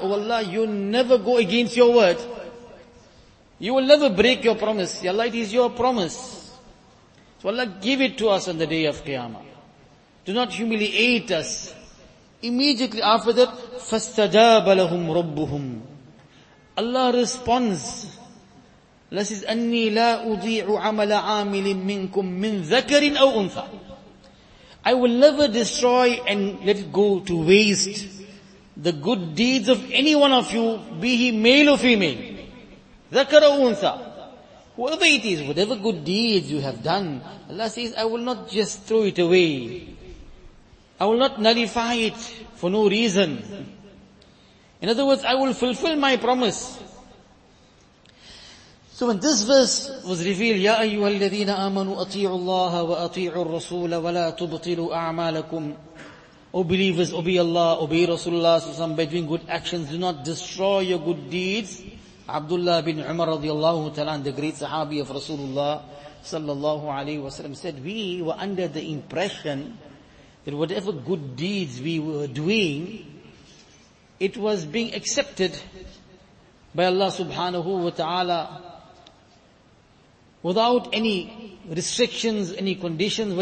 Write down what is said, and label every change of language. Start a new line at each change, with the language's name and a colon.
English: Oh Allah, you'll never go against your word. You will never break your promise. Ya Allah, it is your promise. So Allah, give it to us on the day of Qiyamah. Do not humiliate us. Immediately after that,
Arabic: فَاسْتَجَابَ لَهُمْ رَبُّهُمْ.
English: Allah responds. Allah says,
Arabic: أَنِّي لَا أُضِيعُ عَمَلَ عَامِلٍ مِّنْكُمْ مِّنْ ذَكَرٍ أَوْ أُنْثَى.
English: I will never destroy and let it go to waste the good deeds of any one of you, be he male or female.
Arabic: ذَكَرَ أَوْ أُنْثَى.
English: Whoever it is, whatever good deeds you have done, Allah says, I will not just throw it away. I will not nullify it for no reason. In other words, I will fulfill my promise. So when this verse was revealed,
Arabic: يَا أَيُّهَا الَّذِينَ آمَنُوا أَطِيعُوا اللَّهَ وَأَطِيعُوا الرَّسُولَ وَلَا تُبْطِلُوا أَعْمَالَكُمْ.
English: O believers, obey Allah, obey Rasulullah, so some by doing good actions, do not destroy your good deeds. Abdullah bin Umar radiallahu ta'ala, the great Sahabi of Rasulullah sallallahu alayhi wasallam, said, we were under the impression that whatever good deeds we were doing, it was being accepted by Allah subhanahu wa ta'ala without any restrictions, any conditions.